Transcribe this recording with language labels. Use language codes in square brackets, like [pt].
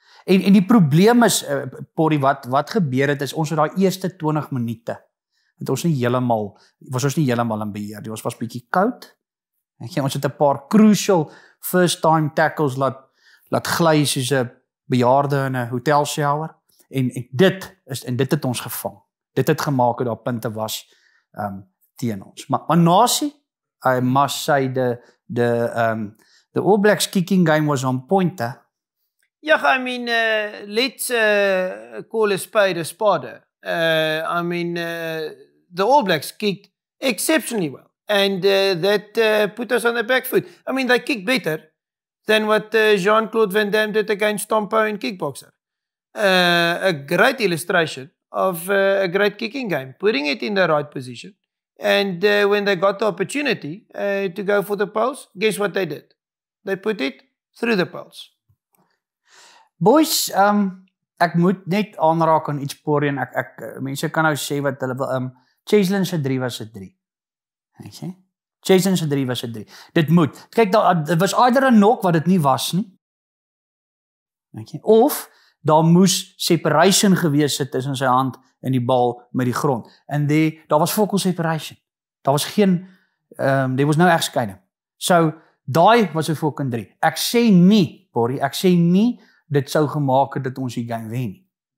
[af] En die probleem is, Porrie, wat gebeur het, is ons het daai eerste 20 minute, het ons nie helemaal, was ons nie helemaal in beheer, die ons was bietjie koud, okay, ons het 'n paar crucial first time tackles laat gly, soos 'n bejaarde in 'n hotel shower, en dit het ons gevang, dit het gemaak dat daar punte was teen ons. Maar nasie, [en] I must say, the All Blacks kicking game was on point, hè? Yeah, I mean, let's call a spade a spade. The All Blacks kicked exceptionally well. And that put us on the back foot. I mean, they kicked better than what Jean-Claude Van Damme did against Stompo in Kickboxer. A great illustration of a great kicking game. Putting it in the right position. And when they got the opportunity to go for the poles, guess what they did? They put it through the poles. [af] Boys, ek moet net aanraak aan iets, Porrie, en ek mense kan nou sê wat hulle wil, Chaslin se 3 was 'n 3. Okay. Chaslin se 3 was 'n 3. Dit moet. Kyk, daar was either 'n knock wat dit nie was nie. Okay. Of daar moes separation gewees het tussen sy hand en die bal met die grond. En daar was focal separation. Daar was geen there was no egskeiding. So daai was 'n fucking 3. Ek sê nie, Porrie, ek sê nie dit sou gemaak het dat ons die game wen.